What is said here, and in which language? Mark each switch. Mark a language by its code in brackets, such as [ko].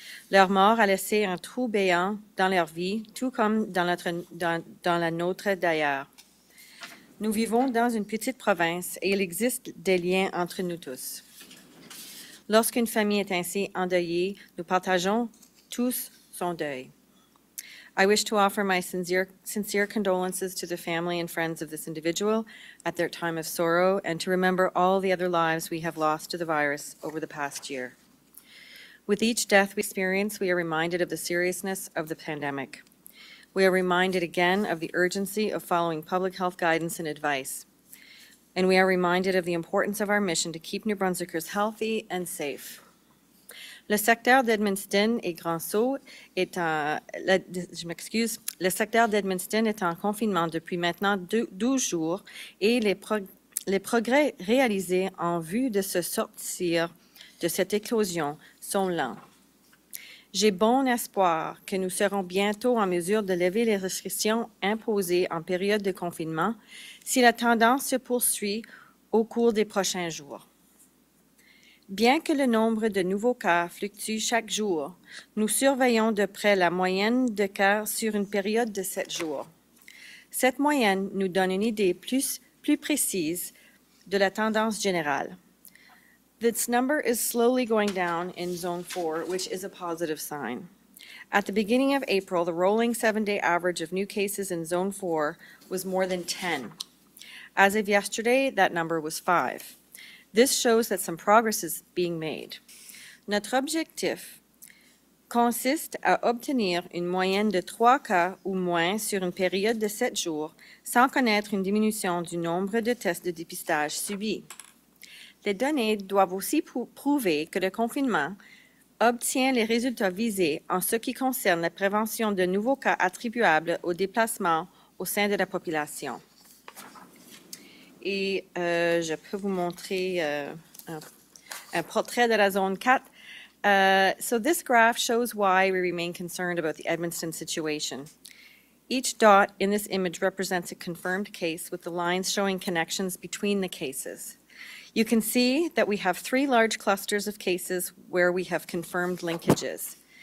[fr] Leur mort a laissé un trou béant dans leur vie, tout comme dans la nôtre d'ailleurs. Nous vivons dans une petite province et il existe des liens entre nous tous. Lorsqu'une famille est ainsi endeuillée, nous partageons tous son deuil. [en] I wish to offer my sincere condolences to the family and friends of this individual at their time of sorrow and to remember all the other lives we have lost to the virus over the past year. With each death we experience, we are reminded of the seriousness of the pandemic. We are reminded again of the urgency of following public health guidance and advice. And we are reminded of the importance of our mission to keep New Brunswickers healthy and safe. [fr] Le secteur d'Edmundston et Grand Sault est en, le secteur d'Edmundston est en confinement depuis maintenant 12 jours et les progrès réalisés en vue de se sortir de cette éclosion sont lents. J'ai bon espoir que nous serons bientôt en mesure de lever les restrictions imposées en période de confinement si la tendance se poursuit au cours des prochains jours. Bien que le nombre de nouveaux cas fluctue chaque jour, nous surveillons de près la moyenne de cas sur une période de 7 jours. Cette moyenne nous donne une idée plus précise de la tendance générale. [en] This number is slowly going down in zone 4, which is a positive sign. At the beginning of April, the rolling 7-day average of new cases in zone 4 was more than 10. As of yesterday, that number was 5. This shows that some progress is being made. [fr] Notre objectif consiste à obtenir une moyenne de 3 cas ou moins sur une période de 7 jours sans connaître une diminution du nombre de tests de dépistage subis. Les données doivent aussi prouver que le confinement obtient les résultats visés en ce qui concerne la prévention de nouveaux cas attribuables aux déplacements au sein de la population. Et je peux vous montrer un portrait de la zone 4. [en] So this graph shows why we remain concerned about the Edmundston situation. Each dot in this image represents a confirmed case with the lines showing connections between the cases. You can see that we have 3 large clusters of cases where we have confirmed linkages.